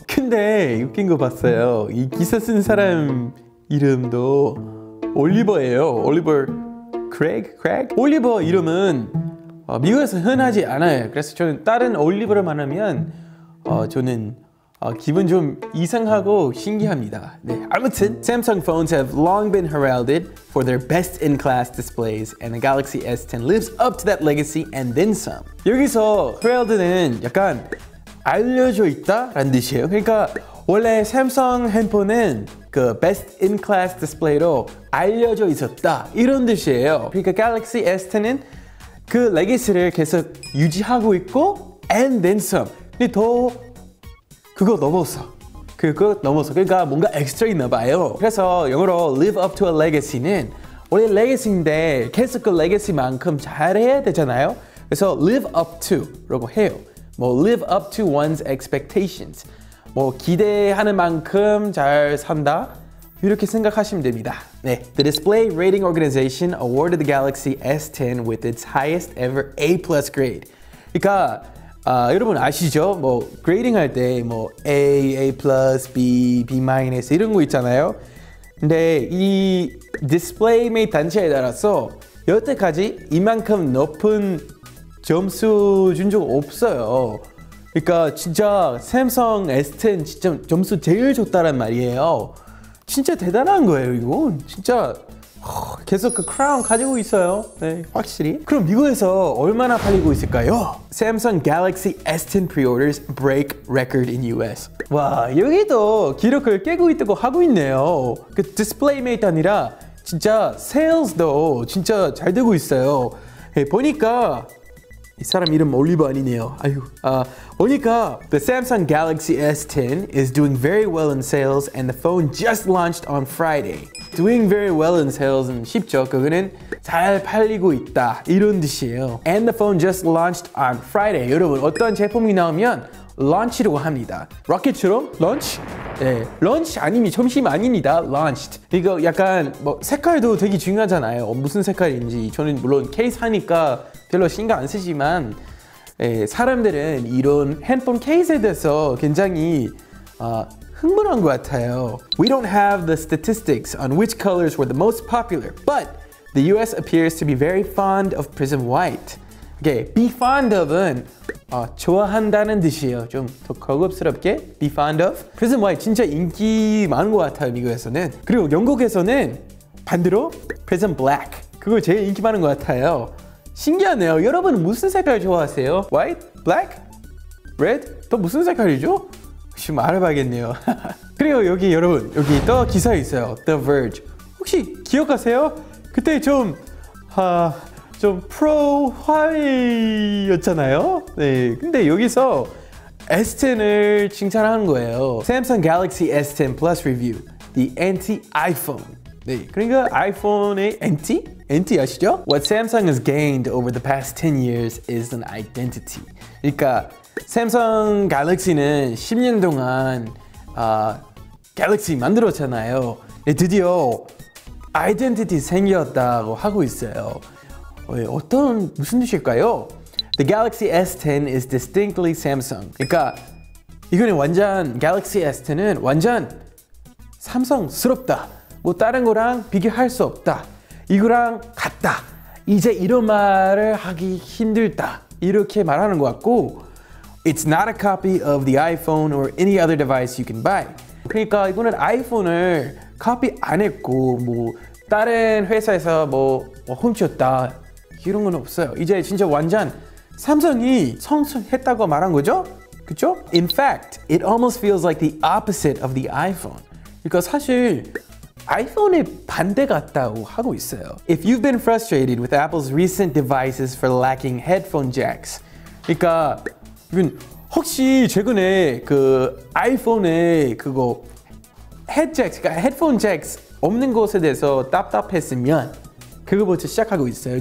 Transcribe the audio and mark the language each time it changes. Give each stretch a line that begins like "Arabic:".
Korean: 근데 웃긴 거 봤어요. 이 기사 쓴 사람 이름도 올리버예요. 올리버 크랙? 올리버 이름은 미국에서 흔하지 않아요. 그래서 저는 다른 올리버를 만나면 저는 기분 좀 이상하고 신기합니다. 네. 아무튼
English: Samsung phones have long been heralded for their best-in-class displays and the Galaxy S10 lives up to that legacy and then some.
Korean: 여기서 heralded는 약간 알려져 있다 라는 뜻이에요. 그러니까 원래 Samsung 핸드폰은 그 best-in-class 디스플레이로 알려져 있었다 이런 뜻이에요. 그러니까 Galaxy S10은 그 레기시를 계속 유지하고 있고
English: and then some.
Korean: 근데 더 그거 넘어서 그러니까 뭔가 엑스트라 있나 봐요. 그래서 영어로
English: live up to a legacy
Korean: 는 원래 레기시인데 계속 그 레기시만큼 잘해야 되잖아요. 그래서 live up to 라고 해요. 뭐
English: live up to one's expectations,
Korean: 뭐 기대하는 만큼 잘 산다 이렇게 생각하시면 됩니다. 네.
English: The Display Rating Organization awarded the Galaxy S10 with its highest ever A+ grade.
Korean: 그러니까 여러분 아시죠? 뭐 grading 할 때 뭐 A+, B-, 이런 거 있잖아요. 근데 이 Display Made 단체에 따라서 여태까지 이만큼 높은 점수 준 적 없어요. 그러니까 진짜 삼성 S10 진짜 점수 제일 좋다란 말이에요. 진짜 대단한 거예요, 이건. 진짜 계속 그 크라운 가지고 있어요. 네, 확실히. 그럼 미국에서 얼마나 팔리고 있을까요?
English: Samsung Galaxy S10 pre-orders break record in US.
Korean: 와, 여기도 기록을 깨고 있다고 하고 있네요. 그 Display Made 아니라 진짜 sales도 진짜 잘 되고 있어요. 네, 보니까 이 사람 이름 올리버 아니네요. 아유. 보니까
English: the Samsung Galaxy S10 is doing very well in sales and the phone just launched on Friday. Doing very well in sales은
Korean: 쉽죠. 그거는 잘 팔리고 있다 이런 뜻이에요.
English: And the phone just launched on Friday.
Korean: 여러분 어떤 제품이 나오면 launch라고 합니다. 로켓처럼 launch? 네, launch 아니면 점심 아닙니다. Launched. 이거 약간 뭐 색깔도 되게 중요하잖아요. 무슨 색깔인지 저는 물론 케이스 하니까 별로 신경 안 쓰지만 사람들은 이런 핸드폰 케이스에 대해서 굉장히 흥분한 것 같아요.
English: We don't have the statistics on which colors were the most popular, but the US appears to be very fond of Prism White. Okay, be fond of은
Korean: 좋아한다는 뜻이에요. 좀 더 고급스럽게
English: be fond of.
Korean: Prism White 진짜 인기 많은 것 같아요, 미국에서는. 그리고 영국에서는 반대로 Prism Black. 그거 제일 인기 많은 것 같아요. 신기하네요. 여러분 무슨 색깔 좋아하세요?
English: White? Black? Red?
Korean: 또 무슨 색깔이죠? 혹시 알아봐야겠네요. 그리고 여기 여러분, 여기 또 기사 있어요. The Verge. 혹시 기억하세요? 그때 좀 좀 프로 화웨이였잖아요? 네, 근데 여기서 S10을 칭찬하는 거예요.
English: Samsung Galaxy S10 Plus Review. The Anti-iPhone.
Korean: 네, 그러니까 아이폰의 엔티? 엔티 아시죠?
English: What Samsung has gained over the past 10 years is an identity.
Korean: 그러니까 Samsung Galaxy는 10년 동안 Galaxy 만들었잖아요. 네, 드디어 아이덴티티 생겼다고 하고 있어요. 어떤 무슨 뜻일까요?
English: The Galaxy S10 is distinctly Samsung.
Korean: 그러니까 이거는 완전 Galaxy S10은 완전 삼성스럽다. 뭐 다른 거랑 비교할 수 없다. 이거랑 같다. 이제 이런 말을 하기 힘들다. 이렇게 말하는 것 같고
English: It's not a copy of the iPhone or any other device you can buy.
Korean: 그러니까 이거는 아이폰을 copy 안 했고 뭐 다른 회사에서 뭐 훔쳤다. 이런 건 없어요. 이제 진짜 완전 삼성이 성숙했다고 말한 거죠? 그쵸?
English: In fact, it almost feels like the opposite of the iPhone.
Korean: 그러니까 사실 아이폰의 반대 같다고 하고 있어요.
English: If you've been frustrated with Apple's recent devices for lacking headphone jacks,
Korean: 그러니까 혹시 최근에 그 아이폰에 그거 헤드폰 잭스 없는 것에 대해서 답답했으면 그거부터 시작하고 있어요.